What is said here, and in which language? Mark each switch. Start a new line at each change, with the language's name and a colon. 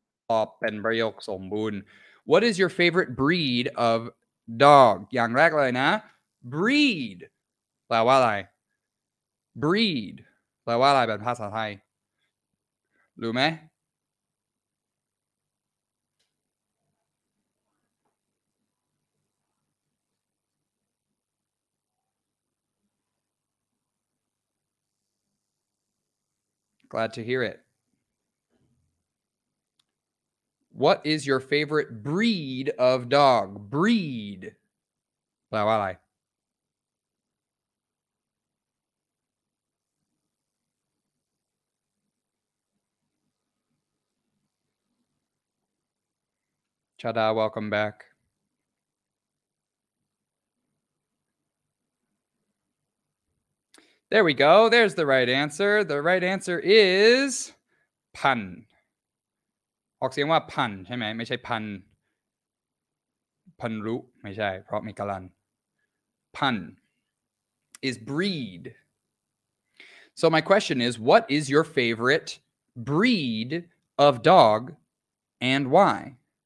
Thai: ตอบเป็นประโยคสมบูรณ์
English: What is your favorite breed of dog
Thai: อย่างแรกเลยนะ breed แปลว่าอะไร breed แปลว่าอะไรเป็นภาษาไทยรู้ไหม
English: Glad to hear it. What is your favorite breed of dog? Breed. Blah, blah, blah. Chada, welcome back. There we go. There's the right answer. The right answer is
Thai: พันธุ์ออกเสียงว่าพันธุ์ใช่ไหมไม่ใช่พันธุ์พันธุ์รู้ไม่ใช่เพราะมีกาลันพันธุ์
English: is breed. So my question is, what is your favorite breed of dog and why?